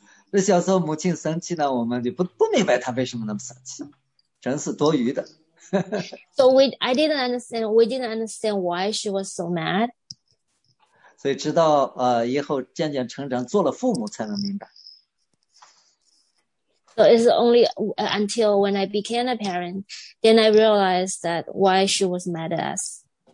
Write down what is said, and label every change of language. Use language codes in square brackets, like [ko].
[zh] 那小时候母亲生气呢，我们就不明白她为什么那么生气，真是多余的。 [en] So we didn't understand why she was so mad. [zh] 所以直到以后渐渐成长，做了父母才能明白。 [en] So it's only until when I became a parent, then I realized that why she was mad at us.